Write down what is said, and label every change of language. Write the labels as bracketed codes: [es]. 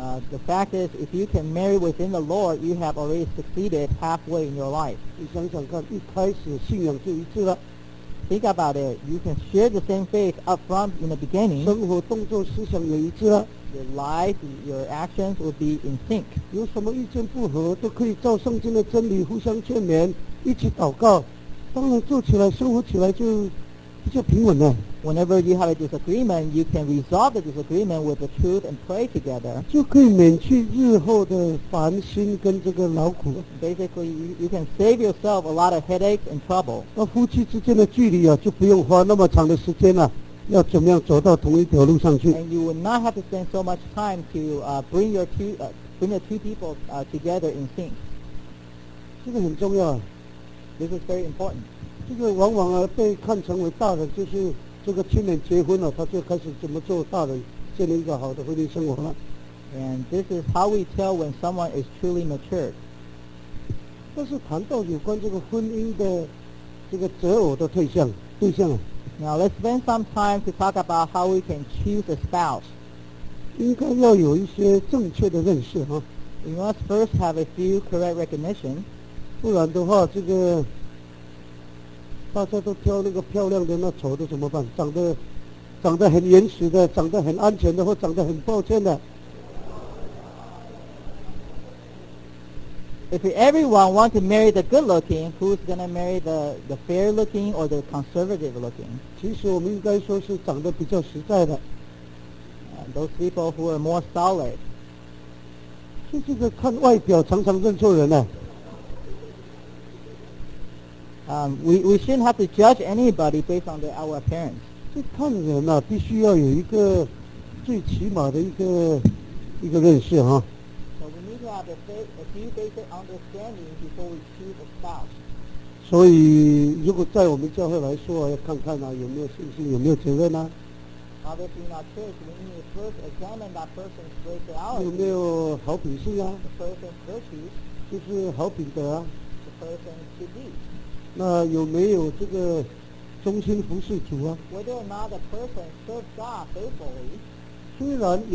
[en] The fact is, if you can marry within the Lord, you have already succeeded halfway in your life. [zh] 你想想看，一开始信仰就一致了。 [en] Think about it. You can share the same faith up front in the beginning. [zh] 生活动作思想也一致了。 [en] Your life, your actions will be in sync. [zh] 有什么意见不合都可以照圣经的真理互相劝勉，一起祷告，当然做起来生活起来就比较平稳了。 [en] Whenever you have a disagreement, you can resolve the disagreement with the truth and pray together. [zh] 就可以免去日后的烦心跟这个劳苦。 [en] Basically, you can save yourself a lot of headaches and trouble. [zh] 那夫妻之间的距离啊，就不用花那么长的时间了、啊，要怎么样走到同一条路上去。 [en] And you will not have to spend so much time to bring the two people together in sync. [zh] 这个很重要啊。 [en] This is very important. [zh] 这个往往啊被看成为大的就是。这个青年结婚了，他就开始怎么做大人，建立一个好的婚姻生活了。 [en] And this is how we tell when someone is truly matured. [zh] 但是谈到有关这个婚姻的这个择偶的对象。 [en] Now let's spend some time to talk about how we can choose a spouse. [zh] 应该要有一些正确的认识哈。 [en] We must first have a few correct recognition. [zh] 不然的话，这个。大家都挑那个漂亮的，那丑的怎么办？长得很原始的，长得很安全的，或长得很抱歉的。 [en] If everyone wants to marry the good-looking, who's going to marry the fair-looking or the conservative-looking? [zh] 其实我们应该说是长得比较实在的。 [en] those people who are more solid. [zh] 这个看外表常常认错人啊。 [en] We shouldn't have to judge anybody based on our appearance. [zh] 这看人啊，必须要有一个最起码的一个认识哈。 [en] So we need to have a few basic understanding before we choose a spouse. [zh] 所以，如果在我们教会来说，要看看啊，有没有信心，有没有责任啊。 [en] Obviously, in our church, we need to first examine that person's spirituality. [zh] 有没有好品性啊？ [en] The person's virtues. [zh] 就是好品德啊。 [en] The person's good deeds. [zh] 那有没有这个忠心服侍主啊？ [en] Whether or not the person serves God faithfully.